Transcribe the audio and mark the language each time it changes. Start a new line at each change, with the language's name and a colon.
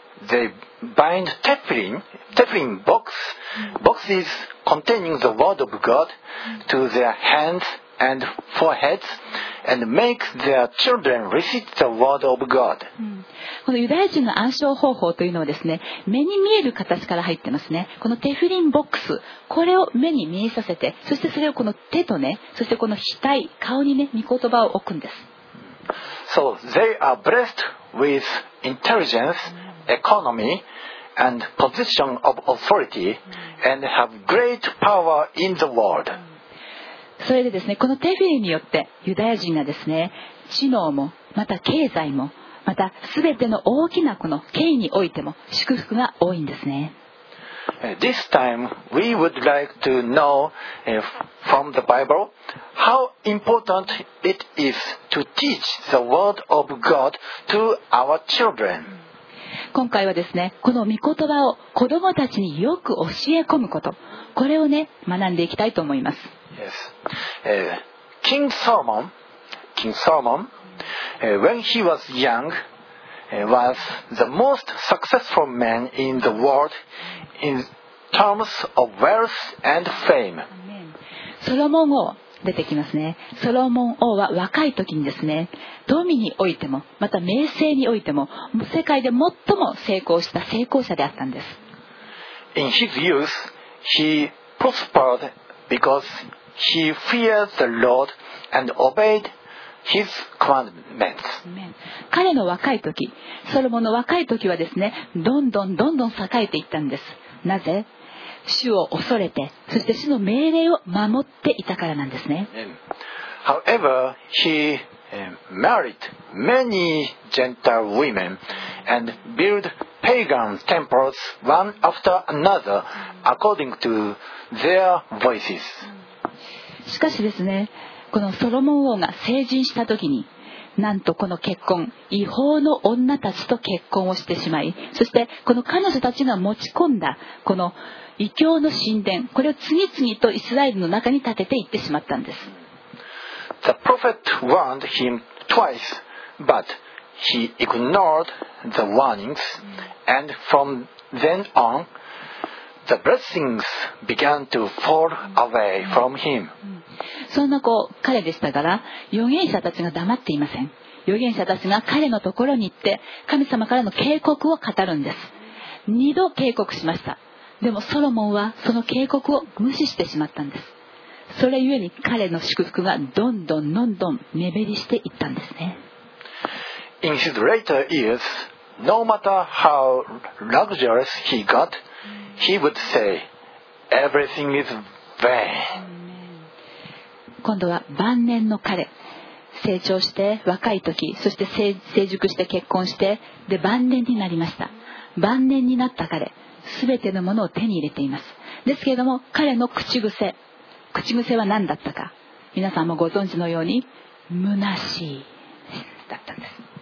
English: They bind teflin boxes containing the word of God to their hands and foreheads and make their children recite the word of God.
Japanese: このユダヤ人の暗唱方法というのはですね、目に見える形から入ってますね。このテフリンボックス、これを目に見えさせて、そしてそれをこの手とね、そしてこの額、顔にね、御言葉を置くんです。
English: So they are blessed with intelligence, economy, and position of authority, and have great power in the world.
Japanese: それでですね、このテフリンによってユダヤ人がですね、知能もまた経済もまたすべての大きなこの権威においても祝福が多いんですね。
English: This time we would like to know from the Bible how important it is to teach the word of God to our children.
Japanese: 今回はですね、この御言葉を子どもたちによく教え込むこと、これをね学んでいきたいと思います。
English: Yes. King Solomon, when he was young, was the most successful man in the world in terms of wealth and fame.
Japanese: ソロモン王出てきますね。ソロモン王は若い時にですね、富においてもまた名声においても世界で最も成功した成功者であったんです。
English: In his youth, he prospered because he feared the Lord and obeyed his commandments.
Japanese: 彼の若い時、ソロモンの若い時はですね、どんどんどんどん栄えていったんです。なぜ？主を恐れて、そして主の命令を守っていたからなんですね。
English: However, he married many Gentile women and built pagan temples one after another according to their voices.
Japanese: しかしですね、このソロモン王が成人した時に、なんとこの結婚、違法の女たちと結婚をしてしまい、そしてこの彼女たちが持ち込んだこの異教の神殿、これを次々とイスラエルの中に建てていってしまったんです。
English: The prophet warned him twice, but he ignored the warnings, and from then on, the blessings began to fall away from him.
Japanese: そんなこう彼でしたから、預言者たちが黙っていません。預言者たちが彼のところに行って神様からの警告を語るんです。二度警告しました。でもソロモンはその警告を無視してしまったんです。それゆえに彼の祝福がどんどんどんどん目減りしていったんですね。
English: In his later years, no matter how luxurious he got, he would say, everything is vain.
Japanese: 今度は晩年の彼、成長して若い時、そして成熟して結婚して、で晩年になりました。晩年になった彼、全てのものを手に入れています。ですけれども彼の口癖は何だったか、皆さんもご存知のように、虚しいだったんです。